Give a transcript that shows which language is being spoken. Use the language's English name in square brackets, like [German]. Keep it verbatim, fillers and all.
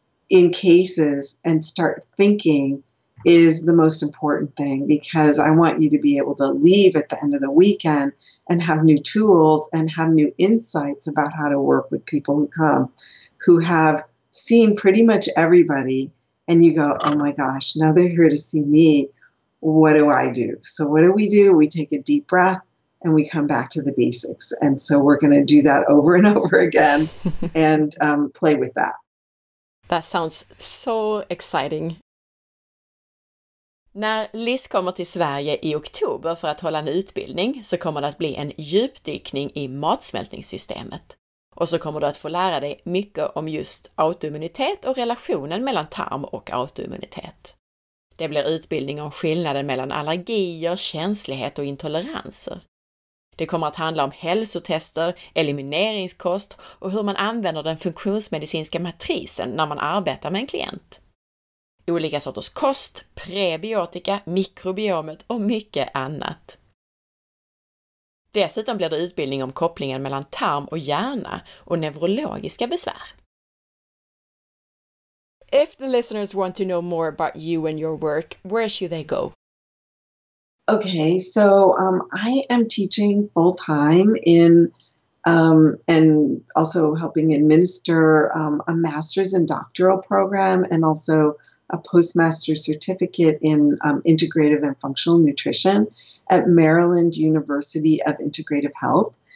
[English] in cases and start thinking is the most important thing, because I want you to be able to leave at the end of the weekend and have new tools and have new insights about how to work with people who come, who have seen pretty much everybody, and you go, oh my gosh, now they're here to see me. What do I do? So what do we do? We take a deep breath and we come back to the basics. And so we're going to do that over and over again and um, play with that. That sounds so exciting. [Swedish] När Liz kommer till Sverige i oktober för att hålla en utbildning så kommer det att bli en djupdykning i matsmältningssystemet. Och så kommer du att få lära dig mycket om just autoimmunitet och relationen mellan tarm och autoimmunitet. Det blir utbildning om skillnaden mellan allergier, känslighet och intoleranser. Det kommer att handla om hälsotester, elimineringskost och hur man använder den funktionsmedicinska matrisen när man arbetar med en klient. Olika sorters kost, prebiotika, mikrobiomet och mycket annat. Dessutom blir det utbildning om kopplingen mellan tarm och hjärna och neurologiska besvär. [English] If the listeners want to know more about you and your work, where should they go? Okay, so um, I am teaching full-time in um, and also helping administer um, a master's and doctoral program and also a postmaster's certificate in um, integrative and functional nutrition at Maryland University of Integrative Health.